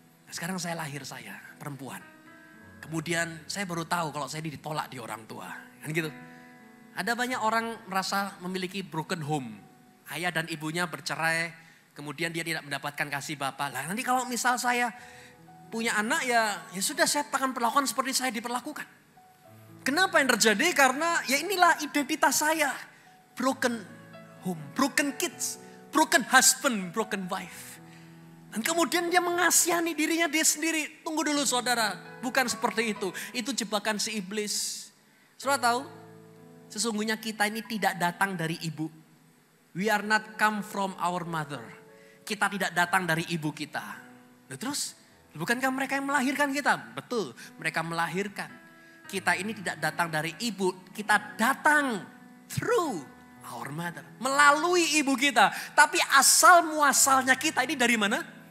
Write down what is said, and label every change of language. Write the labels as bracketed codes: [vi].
[id] Sekarang saya lahir saya, perempuan. Kemudian saya baru tahu kalau saya ditolak di orang tua. Kan gitu. Ada banyak orang merasa memiliki broken home. Ayah dan ibunya bercerai. Kemudian dia tidak mendapatkan kasih bapak. Lah nanti kalau misal saya punya anak ya, ya sudah saya akan perlakukan seperti saya diperlakukan. Kenapa yang terjadi? Karena ya inilah identitas saya. [en] Broken home, broken kids, broken husband, broken wife. [id] Dan kemudian dia mengasihani dirinya dia sendiri. Tunggu dulu saudara, bukan seperti itu. Itu jebakan si iblis. Saudara tahu, sesungguhnya kita ini tidak datang dari ibu. [en] We are not come from our mother. [id] Kita tidak datang dari ibu kita. Nah, terus, bukankah mereka yang melahirkan kita? Betul, mereka melahirkan. Kita ini tidak datang dari ibu, kita datang [en] through our mother. [id] Melalui ibu kita. Tapi asal-muasalnya kita ini dari mana?